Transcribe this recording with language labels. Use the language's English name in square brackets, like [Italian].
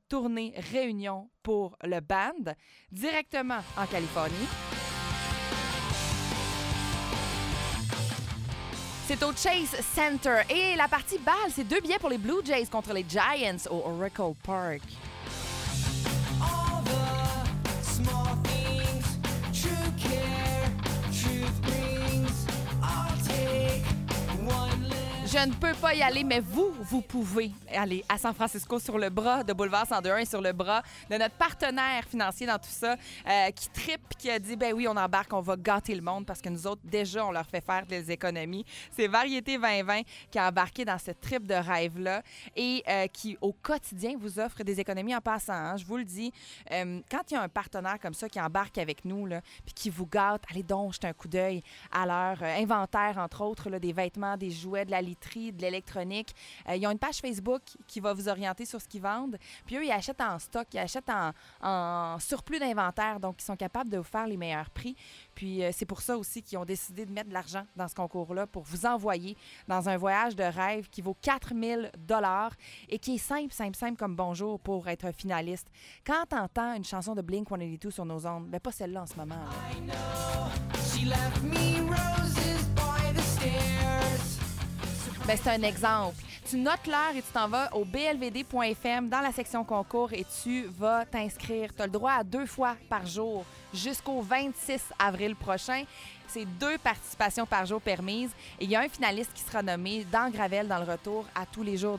[French] Tournée réunion pour le band directement en Californie. C'est au Chase Center. Et la partie balle, c'est deux billets pour les Blue Jays contre les Giants au Oracle Park. [English] All the small things, true care, truth brings, I'll take one less... [French] Je ne peux pas y aller, mais vous, vous pouvez aller à San Francisco sur le bras de Boulevard 101 et sur le bras de notre partenaire financier dans tout ça qui trippe, qui a dit « Ben oui, on embarque, on va gâter le monde parce que nous autres, déjà, on leur fait faire des économies. » C'est Variété 2020 qui a embarqué dans ce trip de rêve-là et qui, au quotidien, vous offre des économies en passant. Hein? Je vous le dis, quand il y a un partenaire comme ça qui embarque avec nous là, puis qui vous gâte, allez donc jeter un coup d'œil à leur inventaire, entre autres, là, des vêtements, des jouets, de la literie, de l'électronique. Ils ont une page Facebook qui va vous orienter sur ce qu'ils vendent. Puis eux, ils achètent en stock, ils achètent en surplus d'inventaire. Donc, ils sont capables de vous faire les meilleurs prix. Puis c'est pour ça aussi qu'ils ont décidé de mettre de l'argent dans ce concours-là pour vous envoyer dans un voyage de rêve qui vaut 4 000 et qui est simple, simple, simple comme bonjour pour être un finaliste. Quand t'entends une chanson de Blink 182 sur nos ondes, bien pas celle-là en ce moment. [English] I know she left me roses by the stairs. [French] Ben, c'est un exemple. Tu notes l'heure et tu t'en vas au blvd.fm dans la section concours et tu vas t'inscrire. Tu as le droit à deux fois par jour jusqu'au 26 avril prochain. C'est deux participations par jour permises. Et il y a un finaliste qui sera nommé dans Gravel dans le retour à tous les jours.